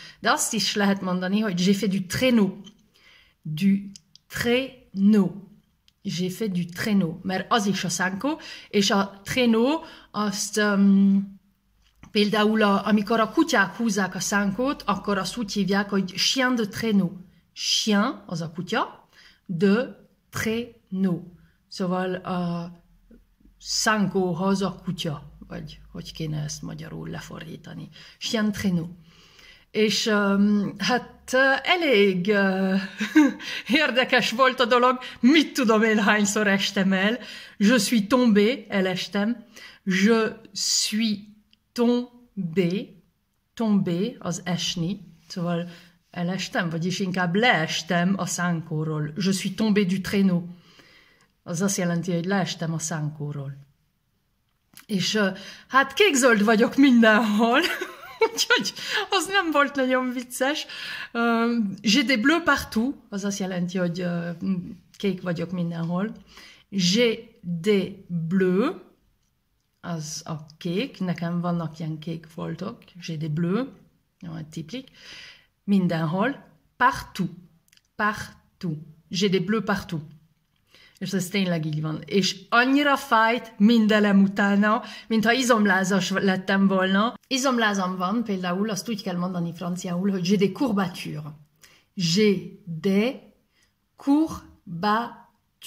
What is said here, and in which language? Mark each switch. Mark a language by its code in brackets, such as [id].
[hu] De azt is lehet mondani, hogy [fr] j'ai fait du traîneau. Du traîneau. J'ai fait du traîneau. [hu] Mert az is a szánkó, és a traîneau azt például, amikor a kutyák húzzák a szánkót, akkor azt úgy hívják, hogy [fr] chien de traîneau. [hu] Chien, az a kutya, de traîneau. Szóval a szánkóhoz a kutya. Vagy hogy kéne ezt magyarul lefordítani. Chien traîneau. És hát elég érdekes volt a dolog. Mit tudom én, hányszor estem el. [fr] Je suis tombé, [hu] elestem. [fr] Je suis tombé. [hu] Tombé, az esni. Szóval elestem, vagyis inkább leestem a szánkóról. [fr] Je suis tombé du traîneau. [hu] Az azt jelenti, hogy leestem a szánkóról. És hát kékzöld vagyok mindenhol, úgyhogy az nem volt nagyon vicces. [fr] J'ai des bleus partout, [hu] az azt jelenti, hogy kék vagyok mindenhol. [fr] J'ai des bleus, [hu] az a kék, nekem vannak ilyen kék foltok. [fr] J'ai des bleus, [hu] jó, tiplik, mindenhol, [fr] partout, partout. J'ai des bleus partout. [hu] És ez tényleg így van. És annyira fájt mindelem utána, mintha izomlázas lettem volna. Izomlázam van, például azt úgy kell mondani franciául, hogy [fr] j'ai des courbatures. J'ai des courbatures.